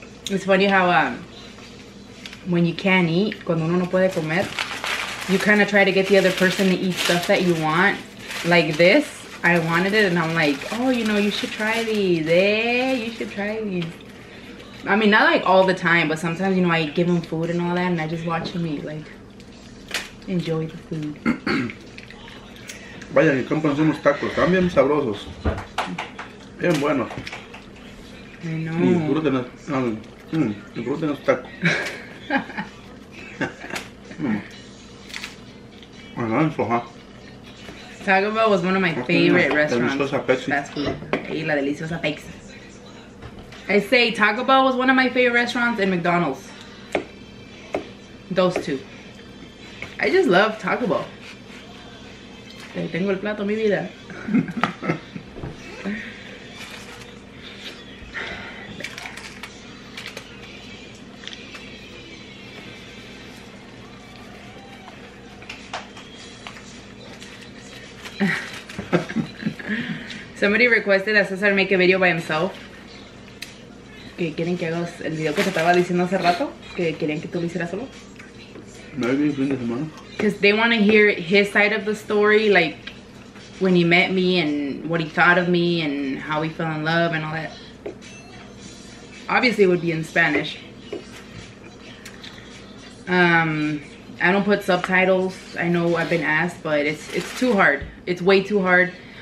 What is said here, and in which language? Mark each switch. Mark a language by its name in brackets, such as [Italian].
[English] It's funny how when you can't eat, [Spanish] cuando uno no puede comer, [English] you kind of try to get the other person to eat stuff that you want. Like this, I wanted it, and I'm like, oh, you know, you should try these. Eh, you should try these. I mean, not like all the time, but sometimes, you know, I give them food and all that, and I just watch them eat, like, enjoy the food. [Spanish] Vaya, que compras unos tacos, están bien sabrosos. Bien buenos. [English] I know. Mm, taco. Taco Bell was one of my favorite restaurants. [Spanish] Deliciosa [English] Pepsi. That's cool. Hey, [Spanish] la deliciosa [English] Pepsi. I say Taco Bell was one of my favorite restaurants and McDonald's. Those two. I just love Taco Bell. [Spanish] Tengo el plato, mi vida. [English] Somebody requested that Cesar make a video by himself. [Spanish] Que quieren que hagas el video que te estaba diciendo hace rato. Que querían que tú lo hicieras solo. [English] Maybe [Spanish] fin de semana. [English] Because they want to hear his side of the story, like when he met me and what he thought of me and how he fell in love and all that. Obviously, it would be in Spanish. I don't put subtitles. I know I've been asked, but it's too hard. It's way too hard.